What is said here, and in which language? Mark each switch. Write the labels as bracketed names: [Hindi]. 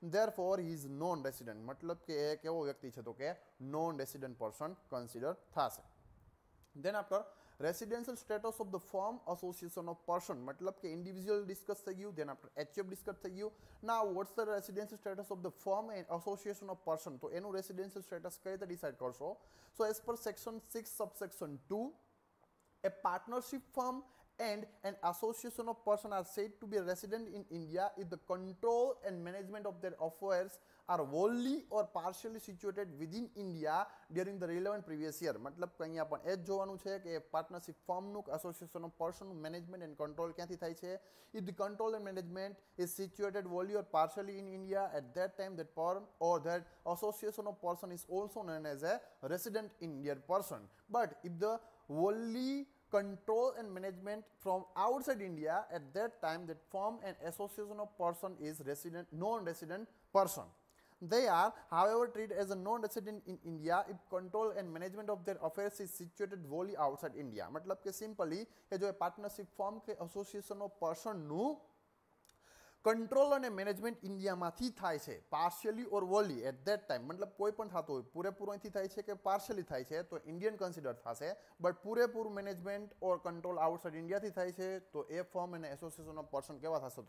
[English] Therefore he is non resident. [Gujarati] મતલબ કે એ કેવો વ્યક્તિ છે? તો કે નોન રેસિડન્ટ પર્સન કન્સિડર થશે. [English] Then after residential status of the firm association of person. [Gujarati] મતલબ કે ઇન્ડિવિજ્યુઅલ ડિસ્કસ થઈ ગયું, દેન આફ્ટર એચયુએફ ડિસ્કસ થઈ ગયું. [English] ના what's the residential status of the firm and association of person? [Gujarati] તો એનું રેસિડેન્શિયલ સ્ટેટસ કઈ રીતે ડિસાઇડ કરશો? [English] So as per section 6 subsection 2, a partnership firm and an association of person are said to be resident in India if the control and management of their affairs are wholly or partially situated within India during the relevant previous year. [Gujarati] મતલબ કે અહીંયા પણ એ જ જોવાનું છે કે partnership ફર્મનું association of પર્સનનું management and control ક્યાંથી થાય છે. [English] If the control and management is situated wholly or partially in India, at that time that firm or that association of person is also known as a resident Indian person. But if the wholly control and management from outside India, at that time that firm and association of person is resident non-resident person. They are however treated as a non-resident in India if control and management of their affairs is situated wholly outside India. [Gujarati] Matlab ke simply ye jo partnership firm ke association of person nu control અને management ઇન્ડિયામાંથી થાય છે, partially or volley at that time. મતલબ કોઈ પણ થતું હોય, પૂરેપૂરું અહીંથી થાય છે કે પાર્શિયલી થાય છે તો ઇન્ડિયન કન્સિડર થશે, બટ પૂરેપૂરું મેનેજમેન્ટ ઓર કંટ્રોલ આઉટસાઇડ ઇન્ડિયાથી થાય છે તો એ ફર્મ અને એસોસિએશન ઓફ પર્સન કેવા થશે?